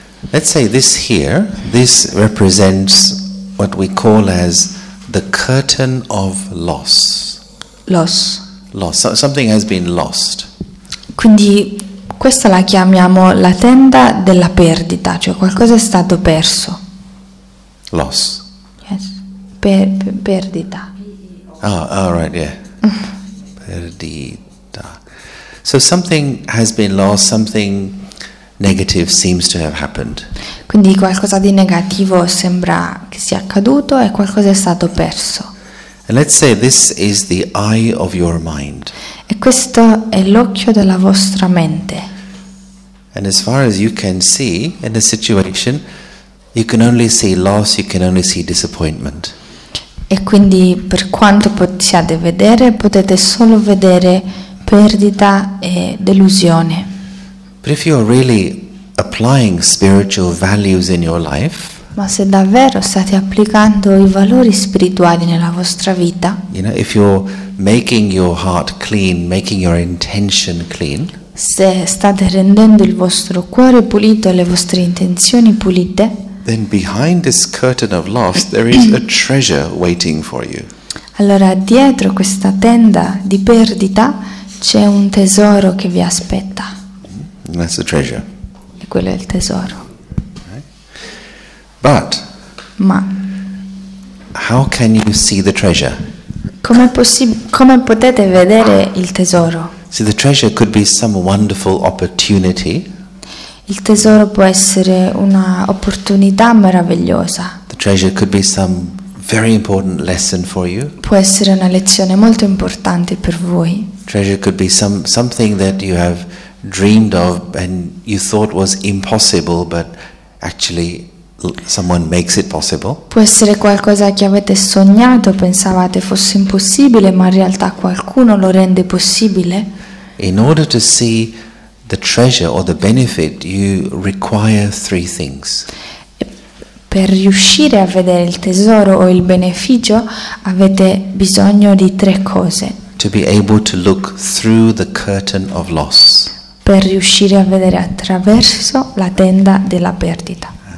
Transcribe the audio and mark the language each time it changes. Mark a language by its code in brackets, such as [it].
[en] Let's say this here, this represents what we call as the curtain of loss. Loss. Loss. So something has been lost. [it] Quindi questa la chiamiamo la tenda della perdita, cioè qualcosa è stato perso. [en] Loss. [it] Yes. Perdita. [en] Right, yeah. Perdita. So something has been lost, something negative seems to have happened. [it] Quindi qualcosa di negativo sembra che sia accaduto e qualcosa è stato perso. [en] And let's say this is the eye of your mind. [it] E questo è l'occhio della vostra mente. [en] And as far as you can see in the situation, you can only see loss, you can only see disappointment. [it] E quindi per quanto possiate vedere, potete solo vedere perdita e delusione. [en] But if you are really applying spiritual values in your life, [it] ma se davvero state applicando i valori spirituali nella vostra vita, [en] you know, if you're making your heart clean, making your intention clean, [it] se state rendendo il vostro cuore pulito e le vostre intenzioni pulite, [en] then behind this curtain of loss there is a treasure waiting for you. [it] Allora dietro questa tenda di perdita c'è un tesoro che vi aspetta. [en] That's the treasure. [it] E quello è il tesoro. [en] But [it] ma [en] how can you see the treasure? [it] Come potete vedere il tesoro? [en] See, the treasure could be some wonderful opportunity. [it] Il tesoro può essere una opportunità meravigliosa. [en] The treasure could be some very important lesson for you. [it] Può essere una lezione molto importante per voi. [en] Treasure could be something that you have dreamed of and you thought was impossible, but actually someone makes it possible. [it] Può essere qualcosa che avete sognato, pensavate fosse impossibile, ma in realtà qualcuno lo rende possibile. [en] In order to see the treasure or the benefit, you require three things. [it] Per riuscire a vedere il tesoro o il beneficio, avete bisogno di tre cose. [en] To be able to look through the curtain of loss. [it] Per riuscire a vedere attraverso la tenda della perdita.